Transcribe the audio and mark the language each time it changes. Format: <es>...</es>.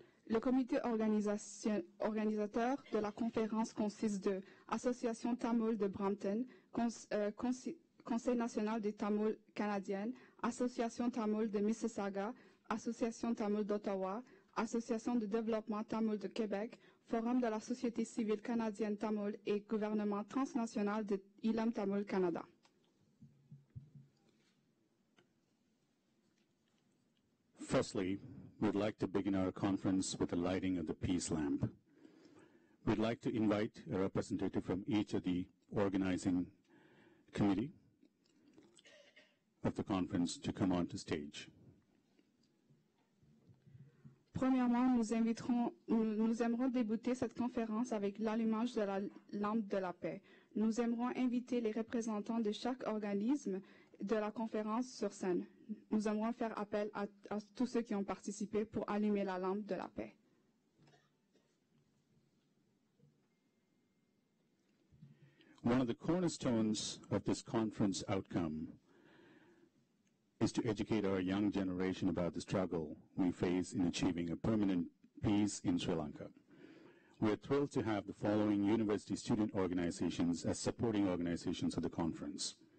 <fr>Le comité organisateur de la conférence consiste de Association Tamil de Brampton, Conseil national des Tamouls canadiennes, Association Tamoul de Mississauga, Association Tamoul d'Ottawa, Association de développement Tamoul de Québec, Forum de la société civile canadienne Tamoul et gouvernement transnational de Ilam Tamoul Canada.</fr> <en>Firstly, we'd like to begin our conference with the lighting of the peace lamp. We'd like to invite a representative from each of the organizing committee of the conference to come on to stage.</en> <fr>Premièrement, nous aimerons débuter cette conférence avec l'allumage de la lampe de la paix. Nous aimerons inviter les représentants de chaque organisme de la conférence sur scène. Nous aimerons faire appel à tous ceux qui ont participé pour allumer la lampe de la paix.</fr> <en>One of the cornerstones of this conference outcome is to educate our young generation about the struggle we face in achieving a permanent peace in Sri Lanka. We are thrilled to have the following university student organizations as supporting organizations of the conference.</en>